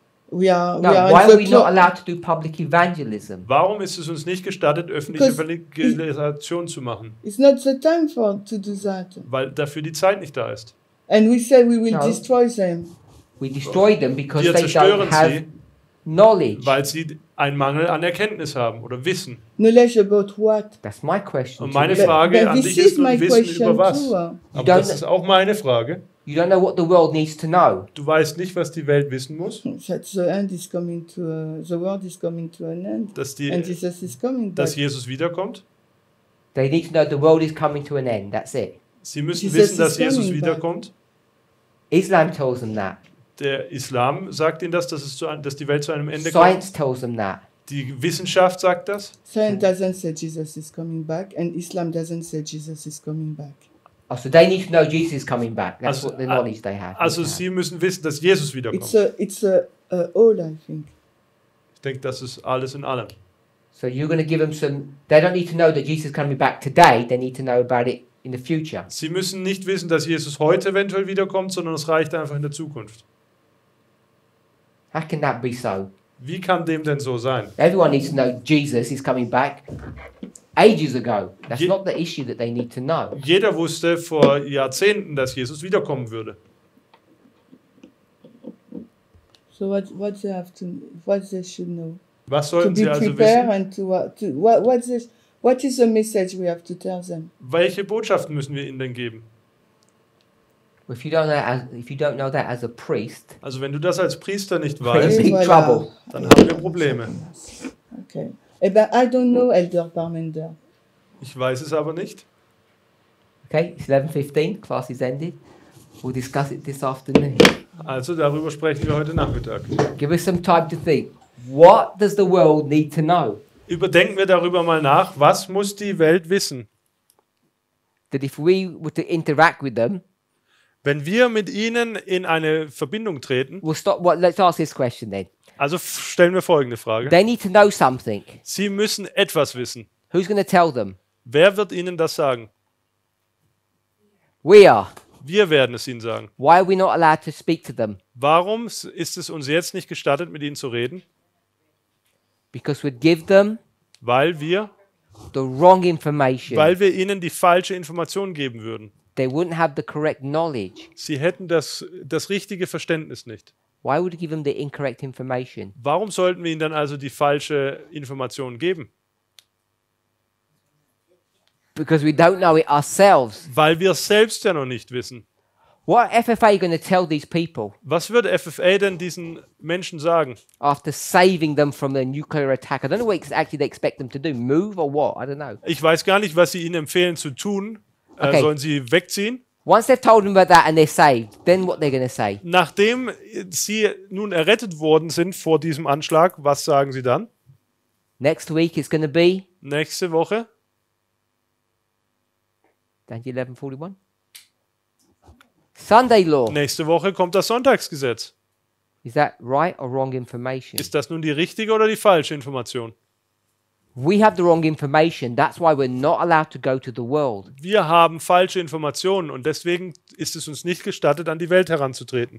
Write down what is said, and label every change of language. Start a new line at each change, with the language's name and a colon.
English: Why are we not allowed to do public evangelism?
German: Warum ist es uns nicht gestattet, öffentliche Evangelisation zu machen?
English: It's not the time for to do that.
German: Weil dafür die Zeit nicht da ist.
English: And we say we will destroy them. We destroy them because they don't have knowledge.
German: Weil sie einen Mangel an Erkenntnis haben oder Wissen.
English: Knowledge about what? That's my question.
German: Und meine Frage an dich ist nun Wissen über was? Aber das ist auch meine Frage.
English: You don't know what the world needs to know.
German: Du weißt nicht, was die Welt wissen muss.
English: The world is coming to an end. And Jesus is coming.
German: Dass Jesus wiederkommt.
English: They need to know the world is coming to an end. That's it.
German: Sie müssen wissen, dass Jesus wiederkommt.
English: Islam tells them that.
German: Der Islam sagt ihnen das, dass die Welt zu einem Ende kommt.
English: Science tells them that.
German: Die Wissenschaft sagt das.
English: Science doesn't say Jesus is coming back, and Islam doesn't say Jesus is coming back. Also they need to know Jesus is coming back. That's also, what the knowledge they have.
German: Also sie müssen wissen, dass Jesus wiederkommt.
English: It's all, I think.
German: Ich denke, das ist alles in allem.
English: So you're going to give them some... They don't need to know that Jesus is coming back today. They need to know about it in the future.
German: Sie müssen nicht wissen, dass Jesus heute eventuell wiederkommt, sondern es reicht einfach in der Zukunft.
English: How can that be so?
German: Wie kann dem denn so sein?
English: Everyone needs to know Jesus is coming back. Ages ago. That's not the issue that they need to know.
German: Jeder wusste vor Jahrzehnten, dass Jesus wiederkommen würde.
English: So what they should know?
German: Was sollten
English: to be
German: Sie also
English: prepared
German: wissen?
English: And to what is what is the message we have to tell them?
German: Welche Botschaften müssen wir ihnen denn geben?
English: If you don't know that, if you don't know that as a priest,
German: also wenn du das als Priester nicht weißt, dann haben wir Probleme.
English: Okay. But I don't know Elder Parmenter.
German: Ich weiß es aber nicht.
English: Okay, it's 11:15, class is ended. We'll discuss it this afternoon.
German: Also darüber sprechen wir heute Nachmittag.
English: Give us some time to think. What does the world need to know?
German: Überdenken wir darüber mal nach, was muss die Welt wissen?
English: That if we were to interact with them,
German: wenn wir mit ihnen in eine Verbindung treten,
English: we'll stop, well, let's ask this question then.
German: Also stellen wir folgende Frage.
English: They need to know something.
German: Sie müssen etwas wissen.
English: Who's going to tell them?
German: Wer wird ihnen das sagen?
English: We are.
German: Wir werden es ihnen sagen.
English: Why are we not allowed to speak to them?
German: Warum ist es uns jetzt nicht gestattet, mit ihnen zu reden?
English: Because we'd give them
German: weil wir
English: the wrong information.
German: Weil wir ihnen die falsche Information geben würden.
English: They wouldn't have the correct knowledge.
German: Sie hätten das richtige Verständnis nicht.
English: Why would you give them the incorrect information?
German: Warum sollten wir ihnen dann also die falsche Information geben?
English: Because we don't know it ourselves.
German: Weil wir es selbst ja noch nicht wissen.
English: What are FFA going to tell these people?
German: Was wird FFA denn diesen Menschen sagen?
English: After saving them from the nuclear attack, I don't know what actually they expect them to do. Move or what? I don't know.
German: Ich weiß gar nicht, was sie ihnen empfehlen zu tun. Okay. Sollen sie wegziehen?
English: Once they've told them about that and they're saved, then what they're going to say?
German: Nachdem sie nun errettet worden sind vor diesem Anschlag, was sagen sie dann?
English: Next week is going to be.
German: Nächste Woche.
English: Thank you, 11:41. Sunday law.
German: Nächste Woche kommt das Sonntagsgesetz.
English: Is that right or wrong information?
German: Ist das nun die richtige oder die falsche Information?
English: We have the wrong information. That's why we're not allowed to go to the world.
German: Wir haben falsche Informationen und deswegen ist es uns nicht gestattet, an die Welt heranzutreten.